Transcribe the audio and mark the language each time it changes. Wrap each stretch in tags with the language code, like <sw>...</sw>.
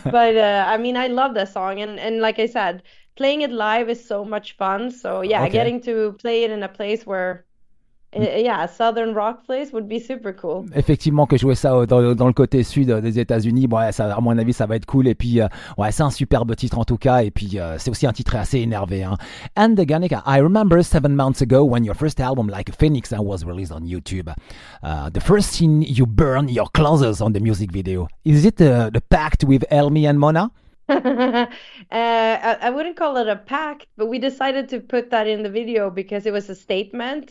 <en>But I mean, I love the song, and like I said, playing it live is so much fun. So yeah, Okay. getting to play it in a place where yeah, Southern rock place would be super cool.</en> <fr>Effectivement, que jouer ça dans le côté sud des États-Unis, bon, ouais, ça, à mon avis, ça va être cool. Et puis, ouais, c'est un superbe titre en tout cas. Et puis, c'est aussi un titre assez énervé. Hein.</fr> <en>And Guernica, I remember 7 months ago when your first album, Like a Phoenix, was released on YouTube. The first scene you burn your clothes on the music video. Is it the pact with Elmi and Mona? I wouldn't call it a pact, but we decided to put that in the video because it was a statement.</en>